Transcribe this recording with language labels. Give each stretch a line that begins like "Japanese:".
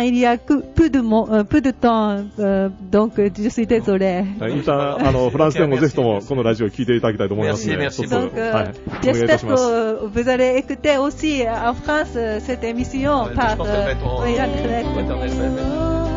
French: Il y a peu de temps, donc je suis désolé.
Japanese: France でもぜひともこのラジオを聞いていただきたいと思いますので、
French: j'espère que vous allez écouter aussi en France cette émission par internet.